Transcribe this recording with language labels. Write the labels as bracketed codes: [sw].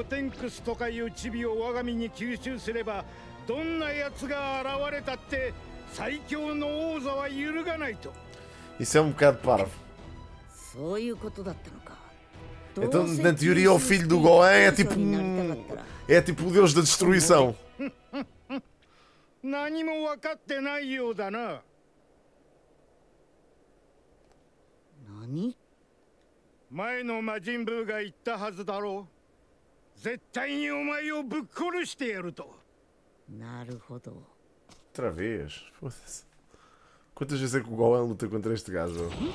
[ja] この瞬間こそ未来においても二度と現れぬであろう最強の魔人の誕生だ。汚いぞ、てめえ。二人を自分に取り込むなんてよ。お前のせいだぞ。お前は絶対に最強であるはずの私より強かった。そこで考えたんだ。スーパーゴテンクスとかいうチビを我が身に吸収すれば どんな奴が現れたって最強の王座は揺るがないと。 [pt] Isso é um bocado parvo. [ja] そういうことだったのか。 [pt] Então, na teoria, o filho do Gohan é tipo é tipo o deus da destruição. [ja] 何も分かってないようだな。何? 前のマジンブーが言ったはずだろう。絶対にお前をぶっ殺してやると。なるほど. [pt] Outra vez? Foda-se. Quantas vezes é que o Gohan luta contra este gajo?